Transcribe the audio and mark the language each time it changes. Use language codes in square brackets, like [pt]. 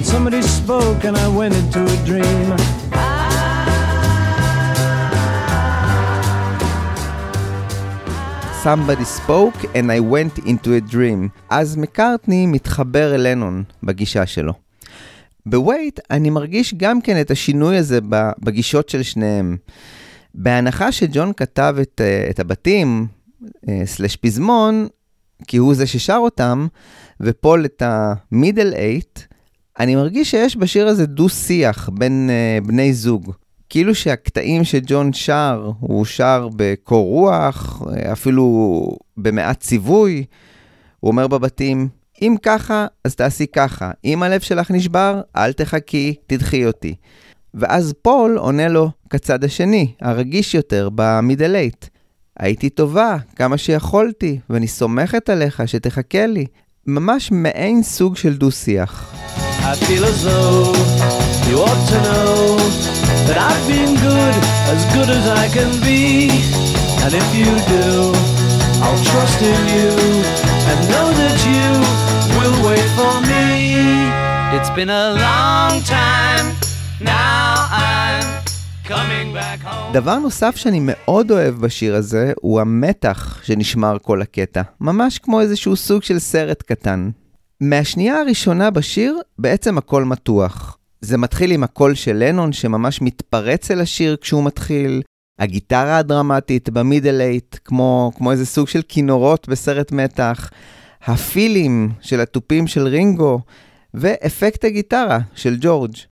[en] somebody spoke and I went into a dream. Somebody spoke and I went into a dream. [he] אז מקארטני מתחבר אל לנון בגישה שלו. בווייט אני מרגיש גם כן את השינוי הזה בגישות של שניהם. בהנחה שג'ון כתב את הבתים, סלש פזמון, כי הוא זה ששר אותם, ופול את המידל אייט, אני מרגיש שיש בשיר הזה דו שיח בין בני זוג. כאילו שהקטעים שג'ון שר, הוא שר בקור רוח, אפילו במעט ציווי, הוא אומר בבתים, אם ככה, אז תעשי ככה, אם הלב שלך נשבר, אל תחכי, תדחי אותי. ואז פול עונה לו כצד השני, הרגיש יותר במידל אייט. הייתי טובה, כמה שיכולתי, ואני סומכת עליך שתחכה לי. ממש מעין סוג של דו שיח. [en] I feel as though you ought to know that I've been good as I can be. And if you do, I'll trust in you and know that you will wait for me. It's been a long time, now I'm coming back home. [he] דבר נוסף שאני מאוד אוהב בשיר הזה הוא המתח שנשמר כל הקטע. ממש כמו איזשהו סוג של סרט קטן. מהשנייה הראשונה בשיר, בעצם הכל מתוח. זה מתחיל עם הקול של לנון שממש מתפרץ אל השיר כשהוא מתחיל, הגיטרה הדרמטית במידל אייט, כמו איזה סוג של כינורות בסרט מתח, הפילים של הטופים של רינגו, ואפקט הגיטרה של ג'ורג'.